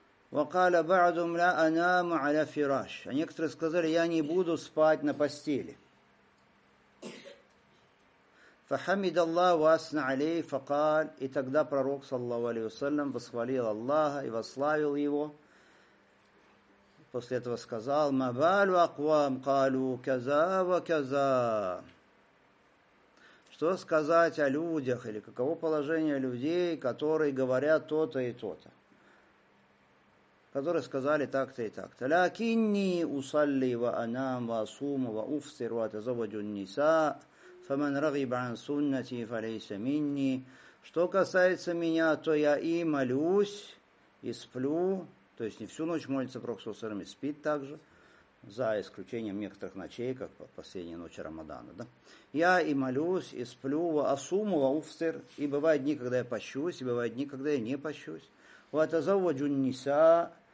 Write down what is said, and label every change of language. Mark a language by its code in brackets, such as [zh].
[ar] «Вакаля ба'дум ля анаму аля фираш». [ru] А некоторые сказали, «Я не буду спать на постели». [ar] فحمد الله واثنى عليه فقال [ru] и тогда пророк саллаллаху алейхи ва саллям восхвалил Аллаха и восславил его. После этого сказал: [ar] ما بال اقوام قالوا كذا وكذا. [ru] Что сказать о людях или каково положение людей, которые говорят то-то и то-то? Которые сказали так-то и так-то. [ar] لكني اصلي وانام واصوم وافطر واتزوج النساء. فَمَنْ رَغِبَ عَنْ سُنَّةِ فَلَيْسَ مِنِّي. [ru] Что касается меня, то я и молюсь, и сплю. То есть не всю ночь молится пророк, саллаллаху алейхи ва саллям, спит также, за исключением некоторых ночей, как последняя ночь Рамадана. Да? Я и молюсь, и сплю, [ar] асуму ва уфтир. [ru] И бывают дни, когда я пощусь, и бывают дни, когда я не пощусь. [ar] وَتَزَوَّجُ النِّسَاءَ.